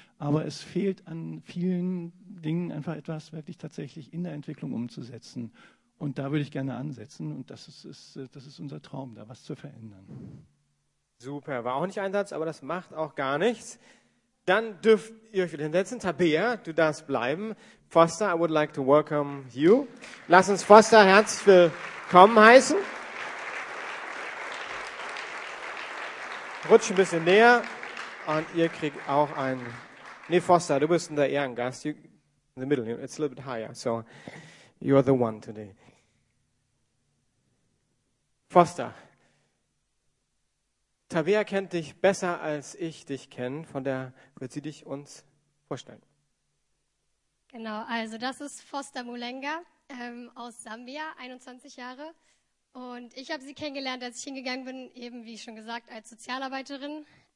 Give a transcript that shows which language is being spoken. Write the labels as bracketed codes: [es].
[de] Aber es fehlt an vielen Dingen einfach etwas wirklich tatsächlich in der Entwicklung umzusetzen. Und da würde ich gerne ansetzen. Und das ist unser Traum, da was zu verändern. Super, war auch nicht ein Satz, aber das macht auch gar nichts. Dann dürft ihr euch wieder hinsetzen. Tabea, du darfst bleiben. [en] Foster, I would like to welcome you. [de] Lass uns Foster herzlich willkommen heißen. Rutsch ein bisschen näher und ihr kriegt auch ein... Nee, Foster, du bist eher ein Gast. [en] You, in the middle, it's a little bit higher, so you're the one today. [de] Foster. Tabea kennt dich besser, als ich dich kenne, von der wird sie dich uns vorstellen. Genau, also das ist Foster Mulenga. aus Sambia, 21 Jahre. Und ich habe sie kennengelernt, als ich hingegangen bin, eben wie schon gesagt, als Sozialarbeiterin.